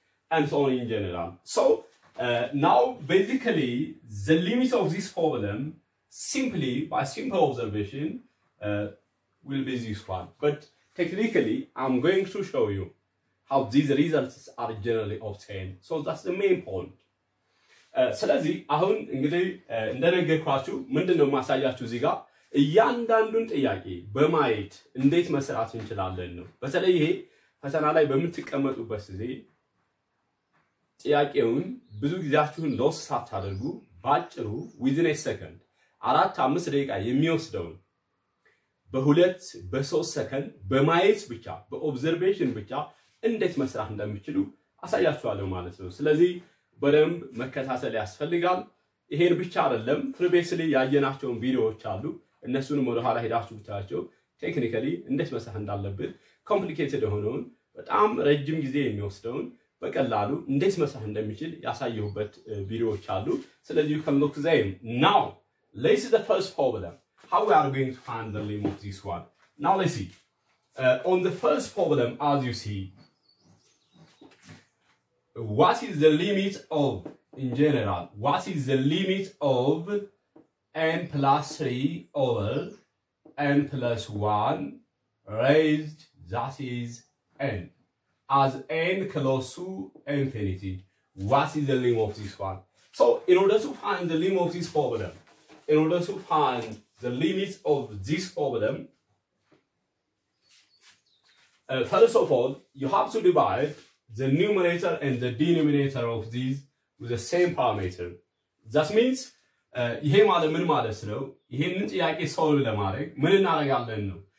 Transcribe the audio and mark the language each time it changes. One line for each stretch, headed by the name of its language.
English: And so on in general. So now basically the limit of this problem simply by simple observation will be this one. But technically I'm going to show you how these results are generally obtained. So that's the main point.
Amharic: ስለዚህ አሁን እንግዲህ እንደነገርኳችሁ ምንድነው ማሳያችሁ እዚህ ጋር እያንዳንዱን ጥያቄ በማየት እንዴት መስራት እንችላለን ነው። በተለይ ይሄ ፈተና ላይ በሚተቀመጡበት ጊዜ ጥያቄውን ብዙ ጊዜያችሁን ሎስ ሳታደርጉ ባጭሩ
English: within a second
Amharic: 4-5 ደቂቃ የሚወስደው በሁለት በሶስት ሰከንድ በማየት ብቻ በኦብዘርቬሽን ብቻ እንዴት መስራት እንደምችሉ አሳያችኋለሁ ማለት ነው። ስለዚህ በደንብ መከታተል ያስፈልጋል። ይሄን ብቻ አይደለም ፕሪቤስሊ ያየናቸውን ቪዲዮዎች አሉ እነሱን ወደኋላ ሄዳችሁ ብታያቸው ቴክኒካሊ እንዴት መስራት እንዳለብን ኮምፕሊኬትድ ሆነውን በጣም ረጅም ጊዜ የሚወስደውን በቀላሉ እንዴት መስራት እንደምችል ያሳየሁበት ቪዲዮዎች አሉ። ስለዚህ ከም ሎክ ዘይም ናው
English: this is the first problem. How we are going to find the limit of this one? Now let's see. On the first problem, as you see, what is the limit of, in general, what is the limit of n plus 3 over n plus 1 raised, that is n, as n close to infinity? What is the limit of this one? So in order to find the limit of this problem, in order to find the limits of this problem, first of all, you have to divide the numerator and the denominator of these with the same parameter. That means,
Amharic: ይሄ ማለት ምን ማለት ነው? ይሄን ጥያቄ ሶልቭ ለማድረግ ምን እናደርጋለን ነው?